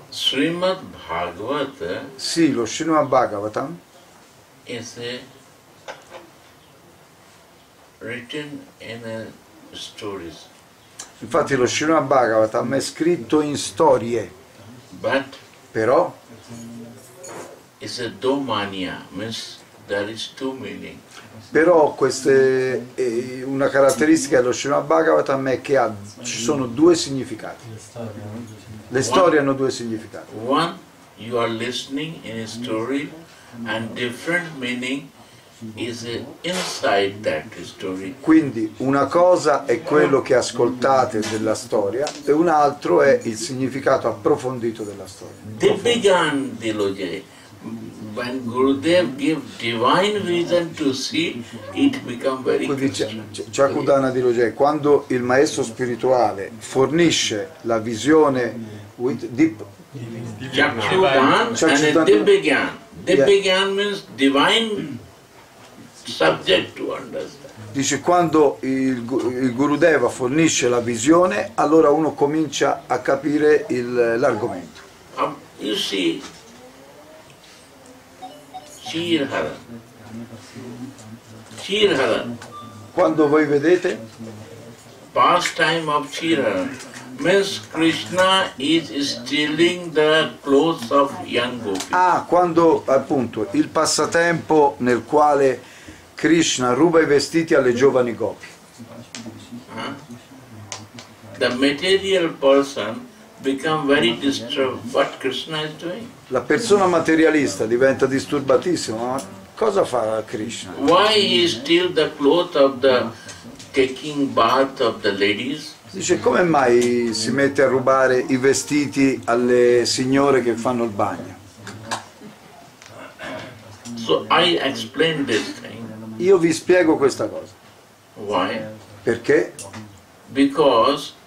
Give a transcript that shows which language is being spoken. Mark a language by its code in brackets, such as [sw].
[en] Srimad Bhagavata. [it] Sì, lo Srimad Bhagavatam [en] is written in stories. [it] Infatti lo Srimad Bhagavatam è scritto in storie. [en] But [it] però [en] is a domania, means there is two meaning. [it] Però queste una caratteristica dello Srimad Bhagavatam è che ha, ci sono due significati. Le storie hanno due significati. [en] One, you are listening in a story and different meaning is inside that story. [it] Quindi una cosa è quello che ascoltate della storia e un altro è il significato approfondito della storia. [en] They began the logic. When Gurudev gave divine reason to see, it become very clear. [it] Chakudana Diloge, quando il maestro spirituale fornisce la visione [en] with deep Chakudana, and they began. They began means divine subject to understand. [it] Dice quando il Gurudeva fornisce la visione, allora uno comincia a capire l'argomento. [en] You see. Chirhara. [it] Quando voi vedete? [en] Past time of Chirhara. Means Krishna is stealing the clothes of young gopis. [it] Ah, quando appunto il passatempo nel quale Krishna ruba i vestiti alle giovani gopi. [en] The material person become very disturbed what Krishna is doing. [it] La persona materialista diventa disturbatissima, ma cosa fa Krishna? [en] Why he steal the clothes of the taking bath of the ladies? [it] Dice come mai si mette a rubare i vestiti alle signore che fanno il bagno? [en] So I explain this thing. [it] Io vi spiego questa cosa. [en] Why? [it] Perché? [en] Because